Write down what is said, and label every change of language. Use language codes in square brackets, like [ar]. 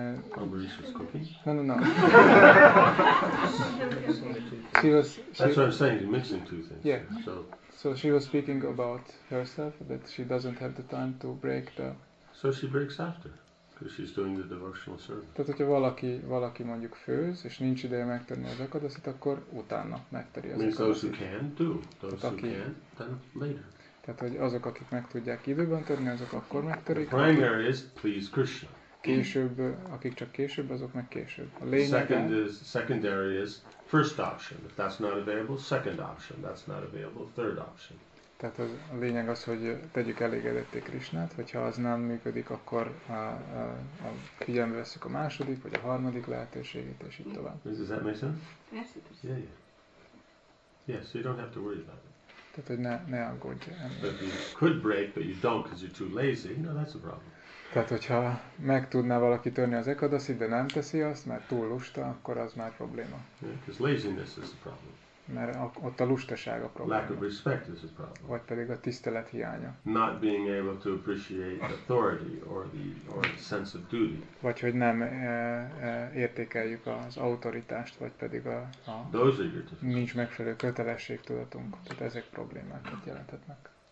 [en] Ambarish was cooking? No. She was. That's what I'm saying. You're mixing two things. Yeah. So she was speaking about herself, that she doesn't have the time to break the... So she breaks after, because she's doing the devotional service. [hu] Tehát, hogyha valaki mondjuk főz, és nincs ideje megtörni az akadaszit, akkor utána megtöri az [en] akadaszit. Those who can, do. Those who can, then later. [hu] Tehát, hogy azok, akik meg tudják időben törni, azok akkor megtörik. [en] The primary is, please Krishna. [hu] Később, akik csak később, azok meg később. A lényeg... [en] secondary is... First option. If that's not available, second option. That's not available, third option. [hu] Tehát a lényeg az, hogy tegyük elégedetté Krisnát, hogyha az nem működik, akkor a figyelembe veszük a második, vagy a harmadik lehetőségét, és így tovább. [en] Does that make sense? Yes, it does. Yeah, so you don't have to worry about it. [hu] Tehát, hogy ne aggódj. [en] But you could break, but you don't because you're too lazy. No, that's a problem. [hu] Tehát, hogyha meg tudná valaki törni az ekadaszit, de nem teszi azt, mert túl lusta, akkor az már probléma. [en] Because laziness is a problem. [hu] Mert ott a lustaság a probléma. [en] Lack of respect is a problem. [hu] Vagy pedig a tisztelet hiánya. [en] Not being able to appreciate authority or the sense of duty. [hu] Vagy hogy nem értékeljük az autoritást, vagy pedig nincs megfelelő kötelességtudatunk. Tehát ezek problémákat jelenthetnek.